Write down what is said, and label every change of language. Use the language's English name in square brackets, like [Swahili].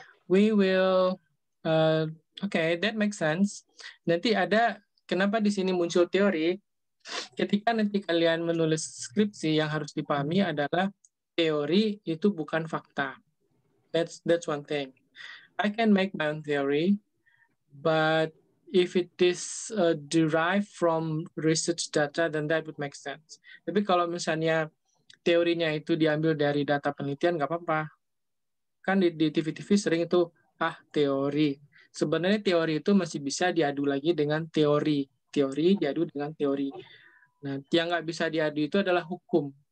[English] We will, that makes sense. [Indonesian] Nanti ada, kenapa di sini muncul teori? Ketika nanti kalian menulis skripsi, yang harus dipahami adalah teori itu bukan fakta. [English] That's one thing. I can make my own theory, but if it is derived from research data, then that would make sense. [Indonesian] Tapi kalau misalnya teorinya itu diambil dari data penelitian, nggak apa-apa. Kan di TV-TV sering itu, teori. Sebenarnya teori itu masih bisa diadu lagi dengan teori. Teori diadu dengan teori. Nah, yang nggak bisa diadu itu adalah hukum.